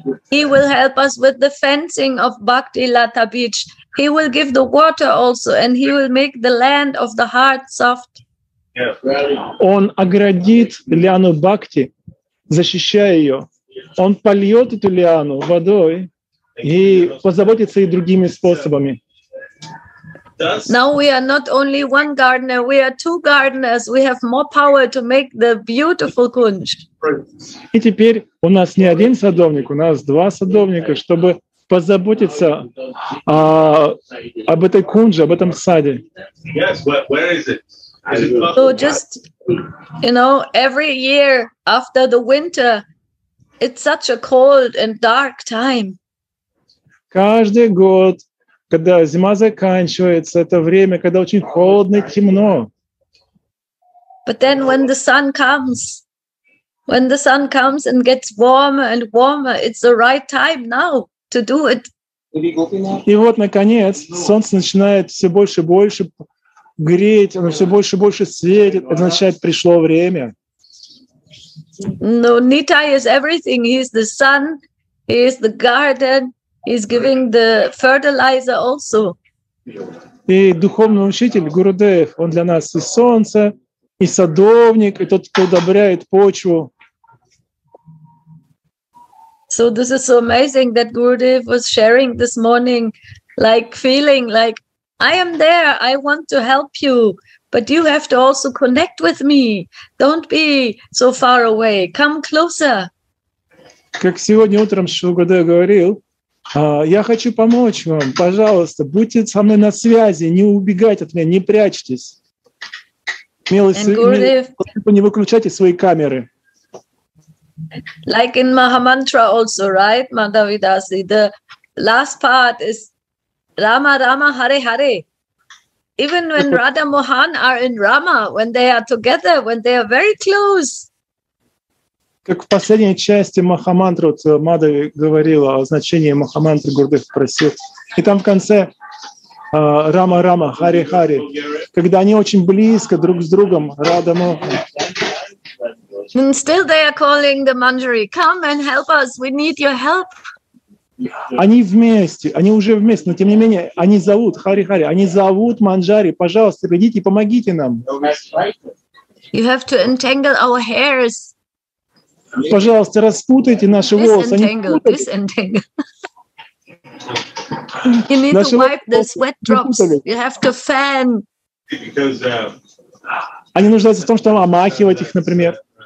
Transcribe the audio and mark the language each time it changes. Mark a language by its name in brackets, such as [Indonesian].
[English] He will help us with the fencing of Bhakti Lata Beach. He will give the water also, and he will make the land of the heart soft. [Russian] Он оградит лиану Бхакти, защищая ее. Он польет эту лиану водой. И позаботиться и другими способами. [English] Now we are not only one gardener, we are two gardeners. We have more power to make the beautiful kunj. [Russian] И теперь у нас не один садовник, у нас два садовника, чтобы позаботиться об этой кунже, об этом саде. [English] Yes, where is it? So just, you know, every year after the winter, it's such a cold and dark time. [Russian] Каждый год, когда зима заканчивается, это время, когда очень холодно и темно. [English] But then when the sun comes and gets warmer and warmer, it's the right time now to do it. [Russian] И вот, наконец, солнце начинает все больше и больше греть, оно все больше и больше светит, означает, пришло время. [English] No, Nitai is everything. He is the sun, he is the garden. He's giving the fertilizer also. [Russian] И духовный учитель Гурудев, он для нас и солнце, и садовник, и тот, кто удобряет почву. [English] So this is so amazing that Gurudev was sharing this morning, like feeling like I am there, I want to help you, but you have to also connect with me. Don't be so far away. Come closer. [Russian] Как сегодня утром Шри Гурудев говорил. Я хочу помочь вам, пожалуйста, будьте со мной на связи, не убегайте от меня, не прячьтесь. Не выключайте свои камеры. [English] Like in Mahamantra also, right, Madhavidasi, the last part is Rama, Rama, Hare, Hare. Even when Radha Mohan are in Rama, when they are together, when they are very close. [Russian] Как в последней части Махамантры, вот Мадави говорила о значении Махамантры, Гурдев просил. И там в конце Рама-Рама, Хари-Хари, когда они очень близко друг с другом, Рада-Мохан. [English] Still they are calling the Manjari, come and help us, we need your help. [Russian] Они вместе, они уже вместе, но тем не менее, они зовут, Хари-Хари, они зовут Манджари, пожалуйста, придите, помогите нам. [English] You have to entangle our hairs. [Russian] Пожалуйста, распутайте наши волосы. [English] Disentangle. You need [Russian] наши [English] to wipe the sweat drops. You have to fan. Because, [Russian] они нуждаются в том, чтобы омахивать их, например.